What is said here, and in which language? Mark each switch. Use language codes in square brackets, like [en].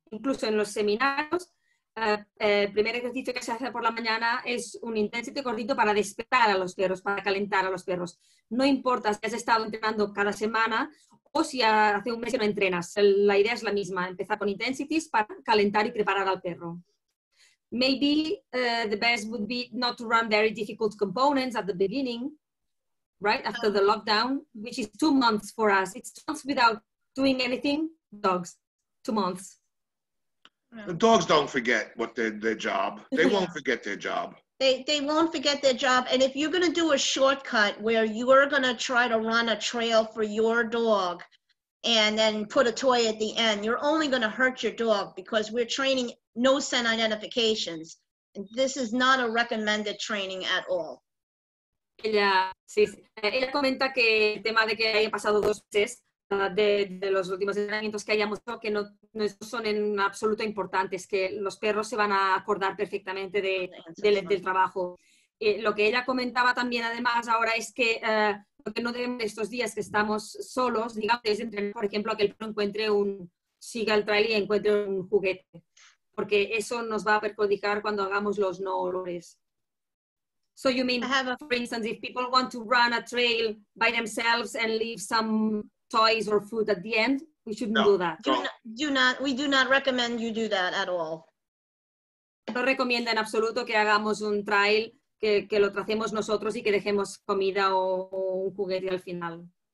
[es] Incluso en los seminarios, el primer ejercicio que se hace por la mañana es un intensity cortito para despertar a los perros, para calentar a los perros. No importa si has estado entrenando cada semana o si hace un mes que no entrenas. La idea es la misma, empezar con intensities para calentar y preparar al perro. [en] Maybe the best would be not to run very difficult components at the beginning, right? After the lockdown, which is 2 months for us. It's 2 months without doing anything, dogs. 2 months. The dogs don't forget what their job. They won't forget their job. They won't forget their job. And if you're going to do a shortcut where you're going to try to run a trail for your dog and then put a toy at the end, you're only going to hurt your dog because we're training no scent identifications. This is not a recommended training at all. [es] Ella, sí, sí. Ella comenta que el tema de que haya pasado dos meses de los últimos entrenamientos que hayamos hecho, que no son en absoluto importantes, que los perros se van a acordar perfectamente del trabajo. Lo que ella comentaba también además ahora es que lo que no debemos estos días que estamos solos, digamos, es entrenar, por ejemplo, a que el perro encuentre un, siga el trail y encuentre un juguete, porque eso nos va a perjudicar cuando hagamos los no olores. [en] So you mean, for instance, if people want to run a trail by themselves and leave some toys or food at the end, we shouldn't do that. We do not recommend you do that at all. [es] No recomienda en absoluto que hagamos un trail, que lo tracemos nosotros y que dejemos comida o un juguete al final.